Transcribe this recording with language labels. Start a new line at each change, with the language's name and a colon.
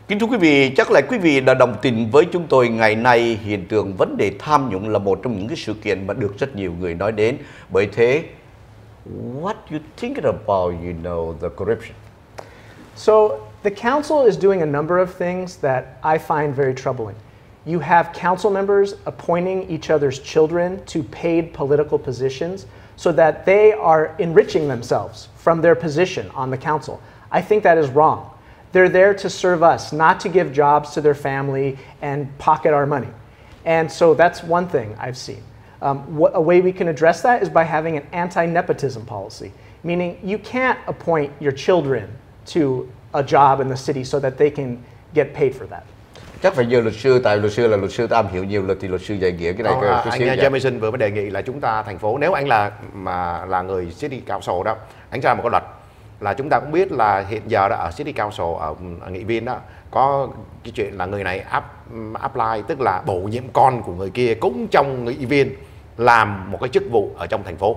Vietnamese: Quý vị, chắc là quý vị đã đồng tình với chúng tôi ngày nay hiện tượng vấn đề tham nhũng là một trong những cái sự kiện mà được rất nhiều người nói đến. Bởi thế,
English: what you thinking about, you know, the corruption? So, the council is doing a number of things that I find very troubling. You have council members appointing each other's children to paid political positions so that they are enriching themselves from their position on the council. I think that is wrong. They're there to serve us, not to give jobs to their family and pocket our money. And so that's one thing I've seen. A way we can address that is by having an anti-nepotism policy, meaning you can't appoint your children to a job in the city so that they can get paid for that.
Vietnamese: Chắc phải nhờ luật sư, tại luật sư là luật sư tâm hiểu nhiều luật thì luật sư dạy nghĩa cái này. Anh Jamison vừa mới đề nghị là chúng ta thành phố, nếu anh là người city council đó, anh ra một cái luật. Là chúng ta cũng biết là hiện giờ đó ở City Council, ở nghị viên đó có cái chuyện là người này apply, tức là bổ nhiệm con của người kia cũng trong nghị viên làm một cái chức vụ ở trong thành phố.